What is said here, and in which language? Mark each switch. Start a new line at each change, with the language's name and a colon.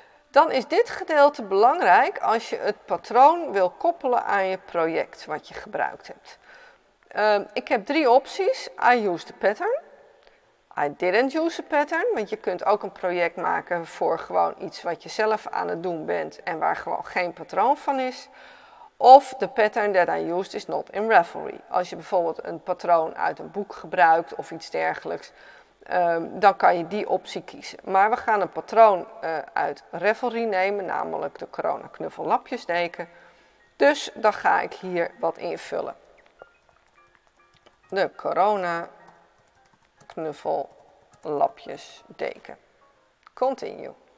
Dutch: Dan is dit gedeelte belangrijk als je het patroon wil koppelen aan je project wat je gebruikt hebt. Ik heb drie opties.
English: I use the pattern. I didn't use a pattern,
Dutch: want je kunt ook een project maken voor gewoon iets wat je zelf aan het doen bent en waar gewoon geen patroon van is.
English: Of the pattern that I used is not in Revelry.
Dutch: Als je bijvoorbeeld een patroon uit een boek gebruikt of iets dergelijks, dan kan je die optie kiezen. Maar we gaan een patroon uit Revelry nemen, namelijk de corona knuffellapjesdeken. Dus dan ga ik hier wat invullen. De corona knuffel, lapjes, deken. Continue.